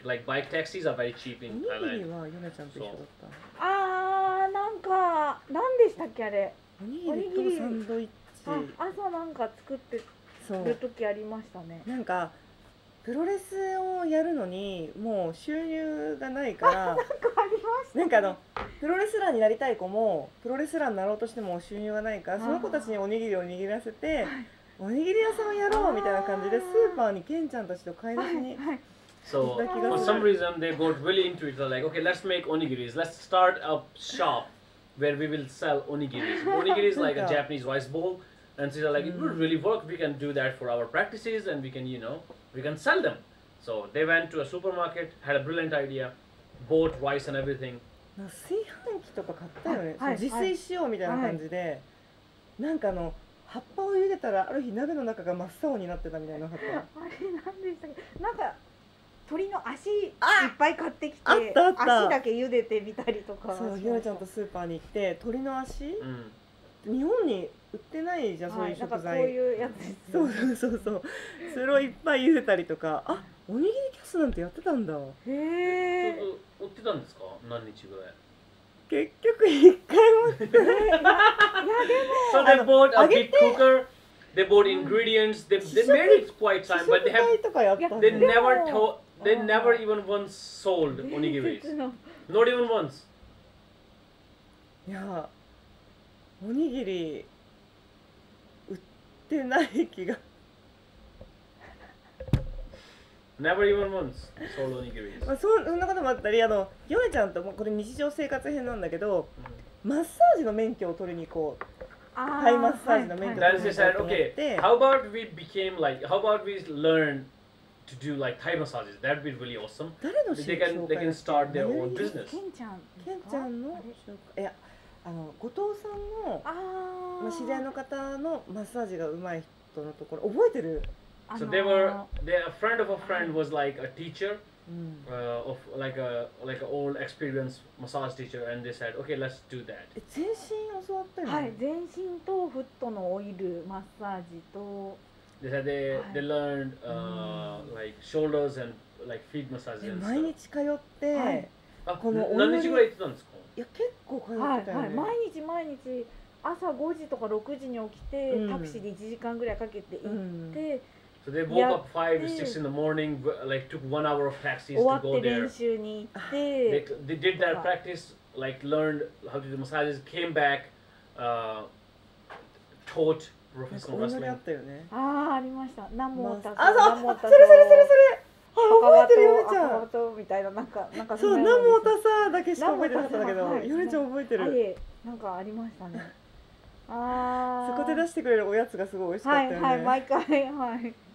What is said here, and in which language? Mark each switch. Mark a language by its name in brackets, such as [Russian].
[English] Like bike taxis are very cheap in Thailand. [Japanese] おにぎりはヨネちゃんと一緒だった。ああ、なんか、何でしたっけあれ。おにぎりとサンドイッチ。あ、朝なんか作ってる時ありましたね。なんか、プロレスをやるのにもう収入がないからなんかありました、ね、なんかあのプロレスラーになりたい子もプロレスラーになろうとしても収入がないからその子たちにおにぎりを握らせて、はい、おにぎり屋さんをやろうみたいな感じでースーパーにケンちゃんたちと買い出しに行った気がする。 [English] So for some reason they got really into it. They're like, okay, let's make onigiris. Let's start a shop where we will sell onigiris. Onigiri is like a Japanese rice bowl. And she's like, it would really work. We can do that for our practices and we can, you know,We can sell them. So they went to a supermarket, had a brilliant idea, bought rice and everything. [Japanese] なんか炊飯器とか買ったよね。はい、自炊しようみたいな感じで、はい、なんかあの葉っぱを茹でたらある日鍋の中が真っ青になってたみたいなかった。あれなんでしたっけ？なんか鳥の足いっぱい買ってきて、あった足だけ茹でてみたりとか。そう、ひろちゃんとスーパーに行って鳥の足、うん、日本に。売ってないじゃん、はい、そういう食材。そういうやつですね。そう。それをいっぱい茹でたりとか、あ、おにぎりキャスなんてやってたんだ。へえ。売ってたんですか？何日ぐらい？結局一回も売ってない。いやでも。 [English] So they bought a big cooker. They bought ingredients. They made it quite time, but they have they never even once sold onigiris. Not even once. [Japanese] いや、おにぎり。てない気が。 [English] Never even once sold onigiris. [Japanese] まあそんなこともあったり、あのヨネちゃんともこれ日常生活編なんだけど、マッサージの免許を取りに行こう。タイマッサージの免許を取りに行こうと思って。 [English] Okay. How about we became like? How about we learn to do like Thai massages? That'd be really awesome. [Japanese] 誰の紹介？ [English] They can start their own business. [Japanese] ケンちゃんの紹介。いや。あの後藤さんの知り合いの方のマッサージが上手い人のところ覚えてる？ [English] So they were, they, a friend of a friend was like a teacher, of like a like an old experienced massage teacher, and they said, okay, let's do that. [Japanese] 全身を教わったの？はい、全身とフットのオイルマッサージと。 [English] They said they、 [Japanese] はい、 [English] they learned、like shoulders and like feet massages. [Japanese] 毎日通って、はい、この何日ぐらい行ってたんですか？いや結構通ってたよね。はいはい、毎日毎日。朝5時とか6時に起きて、タクシーで1時間ぐらいかけて行って、 [English] So they woke up 5 or 6 in the morning, like took 1 hour of taxis to go there. [Japanese] 終わって練習に行って、 [English] they did that practice, like learned how to do massages, came back, taught professional wrestling. [Japanese] こんなにあったよね。ああ、ありました。ナモタク、ナモタク、それそれそれそれ。あ、覚えてるよめちゃん。赤川とみたいな、なんか、なんかそう、ナモタサだけしか覚えてなかったんだけど、よめちゃん覚えてる。はい、なんかありましたね。あそこで出してくれるおやつがすごい美味しかったよね。はいはい、毎回、はい。